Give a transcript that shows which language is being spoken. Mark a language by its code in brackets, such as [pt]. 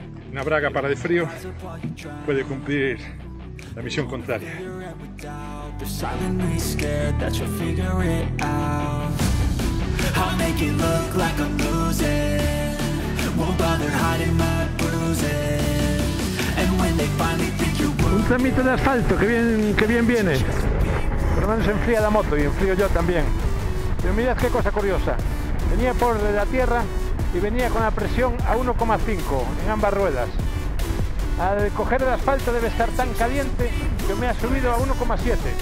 [es] Una braga para el frío puede cumplir la misión contraria. [en] They're silently scared that you'll figure it out. I'll make it look like I'm losing. Won't bother hiding my bruises. And when they finally think you're wounded. [es] Un tramito de asfalto, que bien viene. Por lo menos enfría la moto y enfrío yo también. Pero mirad qué cosa curiosa. Venía por la tierra y venía con la presión a 1,5 en ambas ruedas. Al coger el asfalto debe estar tan caliente que me ha subido a 1,7.